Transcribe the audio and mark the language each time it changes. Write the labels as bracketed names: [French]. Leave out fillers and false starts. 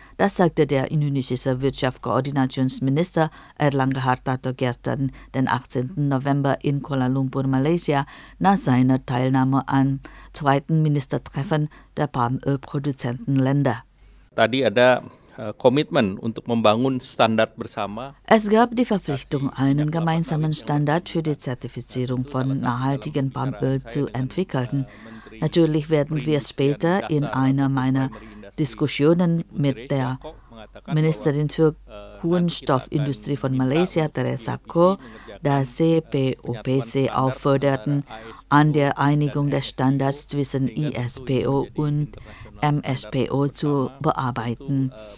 [German] Das sagte der indonesische Wirtschaftskoordinationsminister Erlangga Hartarto gestern, den 18. November in Kuala Lumpur, Malaysia, nach seiner Teilnahme am zweiten Ministertreffen der Palmölproduzentenländer. [Indonesian] Tadi ada Commitment untuk membangun standar bersama. [German] Es gab die Verpflichtung, einen gemeinsamen Standard für die Zertifizierung von nachhaltigen Palmöl zu entwickeln. Natürlich werden wir später in einer meiner Diskussionen mit der Ministerin für Kunststoffindustrie von Malaysia, Teresa Ko, das CPOPC aufforderten, an der Einigung des Standards zwischen ISPO und MSPO zu bearbeiten.